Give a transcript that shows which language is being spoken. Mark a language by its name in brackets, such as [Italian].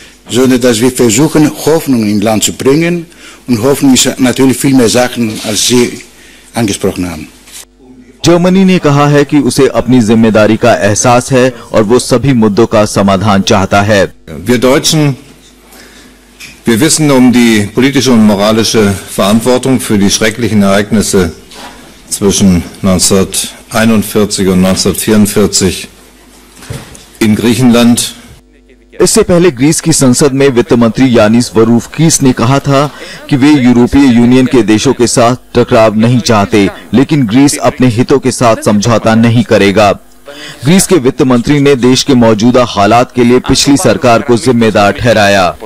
[German] sondern dass wir versuchen, Hoffnung in Land zu bringen. Und Hoffnung ist natürlich viel mehr Sachen, als Sie angesprochen haben. [Hindi] Germany ने कहा है कि उसे अपनी जिम्मेदारी का एहसास है और वो सभी मुद्दों का समाधान चाहता है। [German] Wir Deutschen, wir wissen um die politische und moralische Verantwortung für die schrecklichen Ereignisse zwischen 1941 und 1944 in Griechenland. [Hindi] इससे पहले ग्रीस की संसद में वित्त मंत्री यानिस वरूफकीस ने कहा था कि वे यूरोपीय यूनियन के देशों के साथ टकराव नहीं चाहते, लेकिन ग्रीस अपने हितों के साथ समझौता नहीं करेगा। ग्रीस के वित्त मंत्री ने देश के मौजूदा हालात के लिए पिछली सरकार को जिम्मेदार ठहराया।